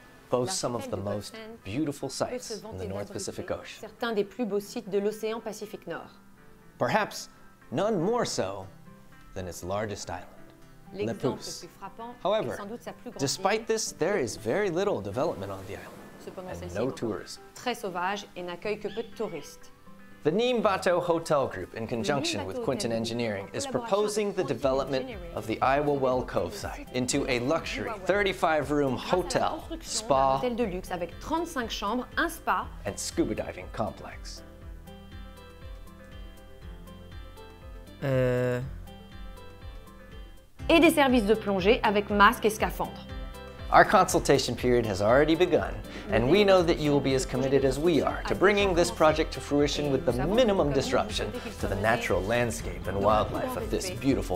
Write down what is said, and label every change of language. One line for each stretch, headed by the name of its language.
English: Boasts some of the most beautiful sites in the North Pacific Ocean.
French: Certains des plus beaux sites de l'océan Pacifique Nord.
English: Perhaps none more so than its largest island, Nepos. However, despite this, there is very little development on the island, and no tourism.
French: Très sauvage et n'accueille que peu de touristes.
English: The Neem Bateau Hotel Group, in conjunction with Quinton Engineering, is proposing the development of the Iowa Well Cove site into a luxury 35-room hotel, spa, and scuba diving complex.
French: Et des services de plongée avec masque et scaphandre.
English: Our consultation period has already begun, and we know that you will be as committed as we are to bringing this project to fruition with the minimum disruption to the natural landscape and wildlife of this beautiful